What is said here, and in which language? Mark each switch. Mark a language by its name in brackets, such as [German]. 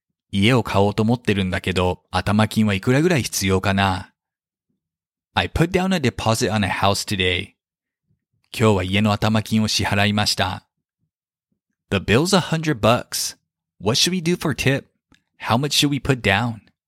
[Japanese] 家を買おうと思ってるんだけど、頭金はいくらぐらい必要かな? [English] I put down a deposit on a house today. [Japanese] 今日は家の頭金を支払いました。 [English] The bill's $100. What should we do for tip? How much should we put down?